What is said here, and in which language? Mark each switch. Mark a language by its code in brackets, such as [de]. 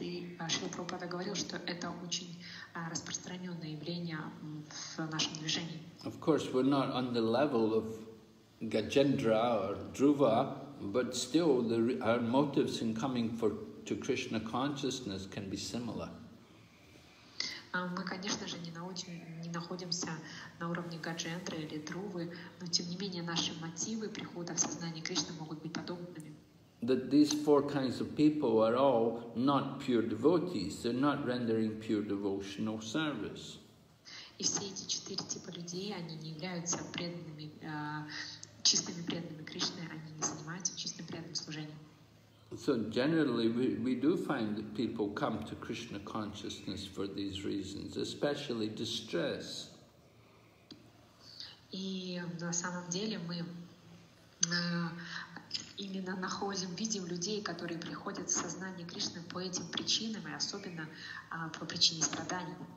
[ru] И Шрила Прабхупада говорил, что это очень распространенное явление в нашем движении. [en] Of course, we're not on the level of Gajendra or Dhruva, but still our motives in coming to Krishna consciousness can be similar. [ru] Мы, конечно же, не находимся на уровне Гаджендры или Друвы, но тем не менее наши мотивы прихода в сознание Кришны могут быть подобными. [en] That these four kinds of people are all not pure devotees. They're not rendering pure devotional service. [ru] И все эти четыре типа людей, они не являются преданными, чистыми преданными Кришны, они не занимаются чистым преданным служением. [en] So generally we do find that people come to Krishna consciousness for these reasons, especially distress. [ru] И на самом деле мы именно находим, видим людей, которые приходят в сознание Кришны по этим причинам, и особенно по причине страданий.